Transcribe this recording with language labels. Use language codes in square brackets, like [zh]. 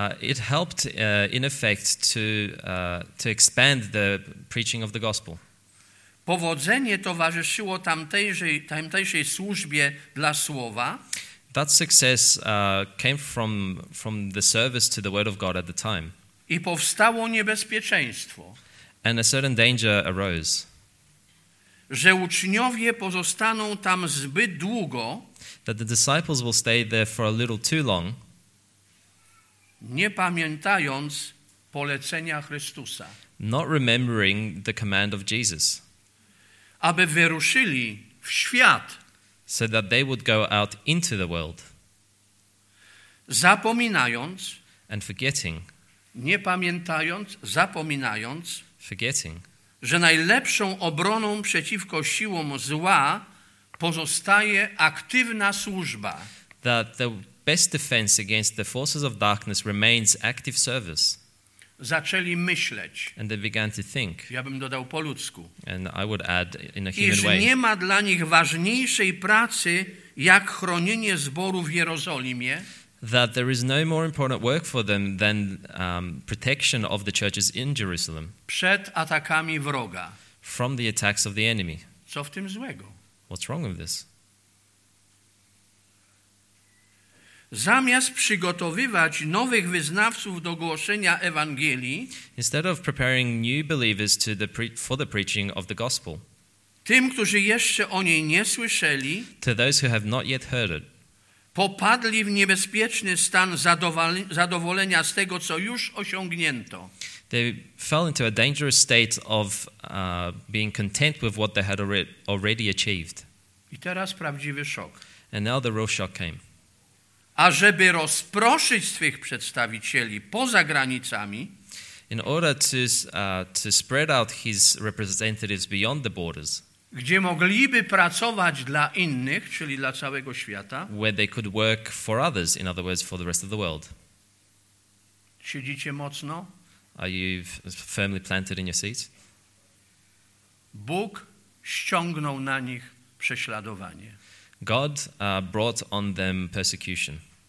[en] It helped in effect to expand the preaching of the gospel. [pl] Powodzenie towarzyszyło tamtejszej służbie dla słowa. [en] That success came from the service to the word of God at the time. [pl] I powstało niebezpieczeństwo. [en] And a certain danger arose. [pl] Że uczniowie pozostaną tam zbyt długo. [en] That the disciples will stay there for a little too long. [pl] Nie pamiętając polecenia Chrystusa. [en] Not remembering the command of Jesus. [pl] Aby wyruszyli w świat. [en] So that they would go out into the world. [pl] Zapominając. [en] And forgetting. [pl] Nie pamiętając, zapominając. [en] Forgetting. [pl] Że najlepszą obroną przeciwko siłom zła pozostaje aktywna służba. [en] That the best defense against the forces of darkness remains active service. [pl] Zaczęli myśleć. [en] And they began to think. [pl] Ja bym dodał po ludzku. [en] And I would add in a human [pl] iż [en] way. [pl] Nie ma dla nich ważniejszej pracy jak chronienie zboru w Jerozolimie. [en] That there is no more important work for them than protection of the churches in Jerusalem. [pl] Przed atakami wroga. [en] From the attacks of the enemy. [pl] Co w tym złego? [en] What's wrong with this? [pl] Zamiast przygotowywać nowych wyznawców do głoszenia Ewangelii, [en] instead of preparing new believers to the for the preaching of the gospel, [pl] tym, którzy jeszcze o niej nie słyszeli, [en] to those who have not yet heard it, [pl] popadli w niebezpieczny stan zadowolenia z tego, co już osiągnięto. [en] They fell into a dangerous state of being content with what they had already achieved. [pl] I teraz prawdziwy szok. [en] And now the real shock came. [pl] A żeby rozproszyć swych przedstawicieli poza granicami, [en] in order to spread out his representatives beyond the borders, [pl] gdzie mogliby pracować dla innych, czyli dla całego świata, [en] where they could work for others, in other words, for the rest of the world. [pl] Siedzicie mocno? [en] Are you firmly planted in your seats? [pl] Bóg ściągnął na nich prześladowanie. [en] God brought on them persecution.